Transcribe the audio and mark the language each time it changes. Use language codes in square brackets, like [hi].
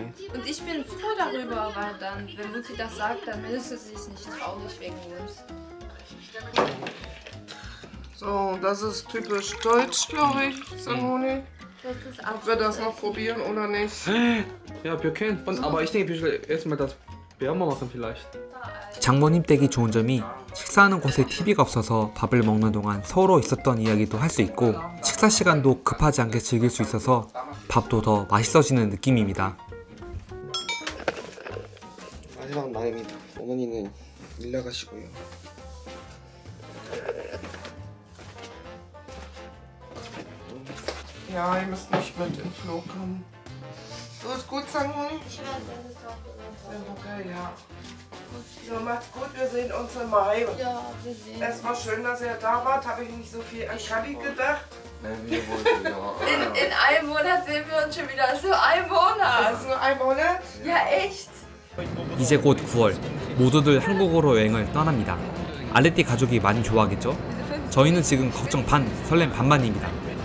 [de] Und ich bin froh darüber, weil dann, wenn Mutti das sagt, dann ist sie sich nicht traurig wegen uns. So, das ist typisch deutsch, glaube ich, Sangoni. Ob wir das noch probieren oder nicht? Ja, wir können. Aber ich denke, wir müssen erstmal das Bärmer machen vielleicht. [ko] 장모님 댁이 좋은 점이 식사하는 곳에 TV가 없어서 밥을 먹는 동안 서로 있었던 이야기도 할 수 있고 식사 시간도 급하지 않게 즐길 수 있어서 밥도 더 맛있어지는 느낌입니다. 마지막 날입니다. 어머니는 일 나가시고요. [de] 야, ich muss nicht mit dem Flo kommen. Du bist gut, Sangmin? Ich werde das auch gut. Okay, ja. So, macht's gut, wir sehen uns im Mai. Ja, wir sehen uns. Es war schön, dass ihr da wart. Habe ich nicht so viel an Kali gedacht. In einem Monat sehen wir uns schon wieder. So ein Monat. Das ist nur ein Monat? Ja, echt. [ko] 이제 곧 9월, 모두들 한국으로 여행을 떠납니다. 아레띠 가족이 많이 좋아하겠죠? 저희는 지금 걱정 반, 설렘 반만입니다.